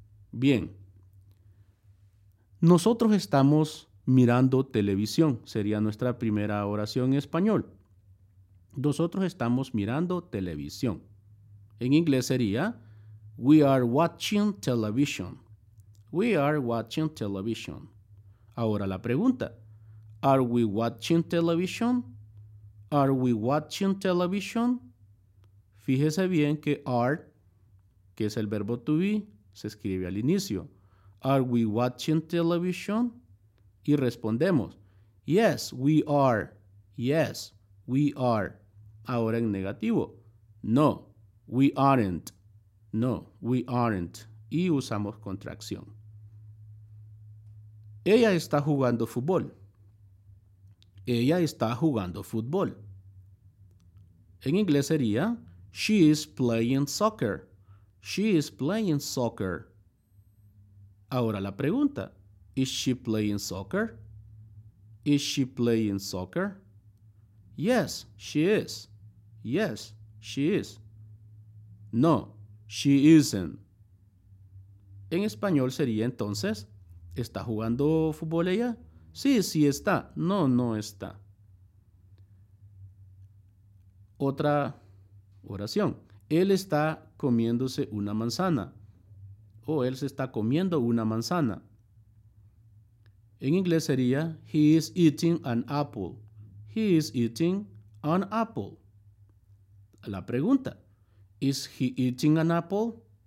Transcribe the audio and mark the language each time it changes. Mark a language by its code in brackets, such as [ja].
[es] Bien, nosotros estamos mirando televisión, sería nuestra primera oración en español. Nosotros estamos mirando televisión. En inglés sería, [en] we are watching television. We are watching television. [es] Ahora la pregunta, [en] are we watching television? Are we watching television? [es] Fíjese bien que are, que es el verbo to be, se escribe al inicio. [en] Are we watching television? [es] Y respondemos, [en] yes, we are. Yes, we are. [es] Ahora en negativo, [en] no, we aren't. No, we aren't. [es] Y usamos contracción. Ella está jugando fútbol. Ella está jugando fútbol. En inglés sería, [en] she is playing soccer. She is playing soccer. [es] Ahora la pregunta, [en] is she playing soccer? Is she playing soccer? Yes, she is. Yes, she is. No, she isn't. [es] En español sería entonces, ¿está jugando fútbol ella? Sí, sí está. No, no está. Otra oración. Él está comiéndose una manzana. O él se está comiendo una manzana. En inglés sería, [en] he is eating an apple. He is eating an apple. [es] La pregunta, [en] is he eating an apple?